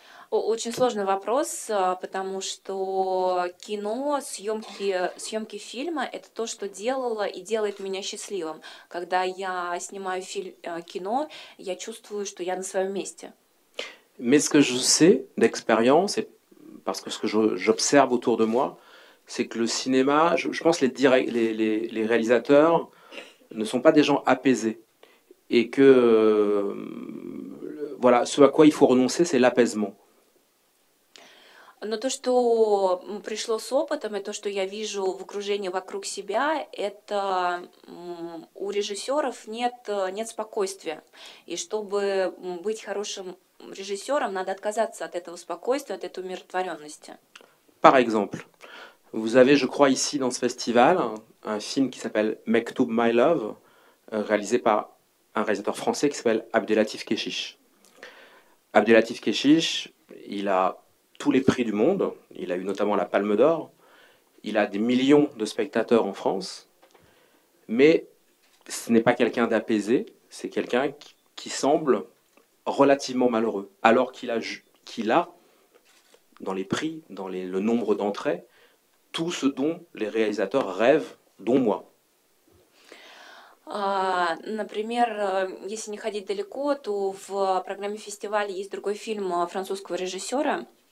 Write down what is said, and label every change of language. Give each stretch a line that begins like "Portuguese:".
Russian: Очень сложный вопрос, потому что кино, съемки фильма – это то, что делало и делает меня счастливым. Когда я снимаю кино, я чувствую, что я на своем месте.
French: Mais ce que je sais d'expérience, et parce que ce que j'observe autour de moi, c'est que le cinéma, je pense que les réalisateurs ne sont pas des gens apaisés. Et que voilà, ce à quoi il faut renoncer, c'est l'apaisement.
Russian: Но то, что пришло с опытом, и то, что я вижу в окружении вокруг себя, это у режиссеров нет спокойствия. И чтобы быть хорошим режиссером, надо отказаться от этого спокойствия, от этой умиротворенности.
French: Par exemple, vous avez, je crois, ici dans ce festival, un film qui s'appelle Mektoub My Love, réalisé par un réalisateur français qui s'appelle Abdelatif Kechiche. Abdelatif Kechiche, il a tous les prix du monde, il a eu notamment la Palme d'Or, il a des millions de spectateurs en France, mais ce n'est pas quelqu'un d'apaisé, c'est quelqu'un qui semble relativement malheureux, alors qu'il a, dans les prix, dans le nombre d'entrées, tout ce dont les réalisateurs rêvent, dont moi.
Russian: Например, если не ходить далеко, то в программе фестиваля есть другой фильм французского режиссера.